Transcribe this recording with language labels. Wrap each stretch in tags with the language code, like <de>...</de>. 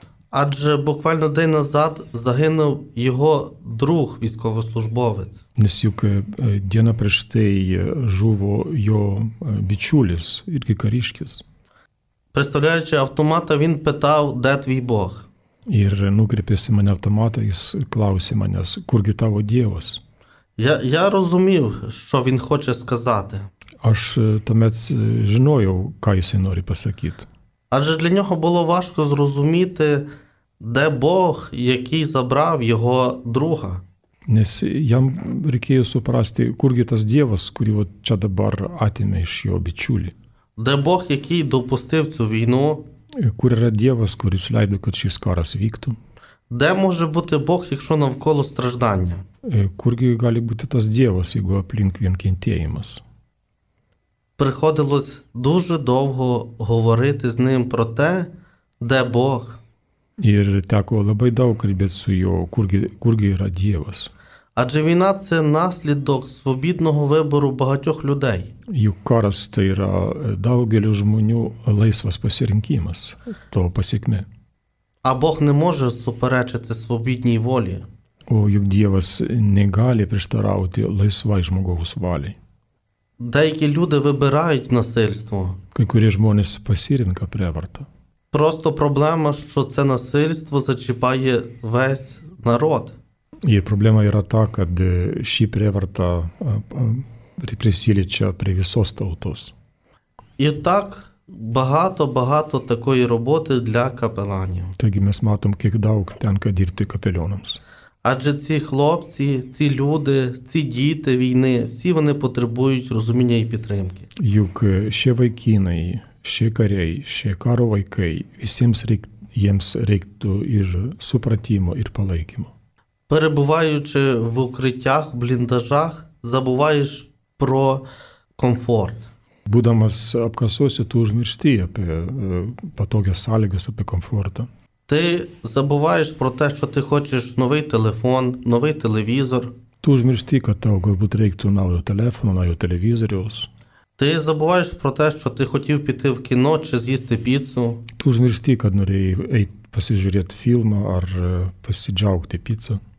<uk>Адже буквально день назад загинув його друг, військовослужбовець.</uk> <lt>Nes juk diena prieš tai žuvo jo bičiulis, irgi kariškis.</lt> <uk>Представляючи автомата, він питав, де твій Бог?</uk> <lt>Ir nukreipėsi mane automatą, jis klausė manęs, kurgi tavo Dievas?</lt> <uk>Я розумів, що він хоче сказати.</uk> <lt>Aš tuomet žinojau, ką jisai nori pasakyti.</lt> <uk>Адже для нього було важко зрозуміти, де Бог, який забрав його друга.</uk> <lt>Nes jam reikėjo suprasti, kurgi tas Dievas, kurį от čia dabar atėmė iš jo bičiulį.</lt> <uk>Де Бог, який допустив цю війну?</uk> <lt>Kur yra Dievas, kuris leido, kad šis karas vyktų?</lt> <uk>Де може бути Бог, якщо навколо страждання?</uk> <lt>Kurgi gali būti tas Dievas, jeigu aplink vien kentėjimas?</lt> <uk>Приходилось дуже довго говорити з ним про те, де Бог.</uk> <lt>Ir teko labai daug kalbėti su juo, kurgi yra Dievas.</lt> <uk>Адже війна – це наслідок свобідного вибору багатьох людей.</uk> <lt>Juk karas – tai yra daugelių žmonių laisvas pasirinkimas, to pasiekme.</lt> <uk>А Бог не може суперечити свобідній волі.</uk> <lt>O juk Dievas negali prieštarauti laisvai žmogaus valiai.</lt> <uk>Деякі люди вибирають насильство.</uk> <lt>Kai kurie žmonės pasirinka prievartą.</lt> <uk>Просто проблема, що це насильство зачіпає весь народ.</uk> <lt>І проблема yra ta, kad ši prievarta prisiliečia prie visos tautos.</lt> <uk>І так багато-багато такої роботи для капеланів.</uk> <lt>Taigi mes matom, kiek daug tenka dirbti капеліонams.</lt> <uk>Адже ці хлопці, ці люди, ці діти війни, всі вони потребують розуміння і підтримки.</uk> <lt>Juk ще vaikinai, ще kariai, ще karo vaikai, visiems jiems reiktų ir supratimo, ir palaikymo.</lt> <uk>Перебуваючи в укриттях, в бліндажах, забуваєш про комфорт.</uk> <lt>Būdamas apkasuose, tu užmiršti apie patogias sąlygas, apie комфорта.</lt> <uk>Ти забуваєш про те, що ти хочеш новий телефон, новий телевізор.</uk> <lt>Tu užmiršti, kad tau galbūt reiktų naujo telefono, naujo televizoriaus.</lt> <uk>Ти забуваєш про те, що ти хотів піти в кіно чи з'їсти піцу.</uk> <lt>Tu užmiršti, kad norėjai eit pasižiūrėti filmą ar pasidžiaugti pizzą.</lt>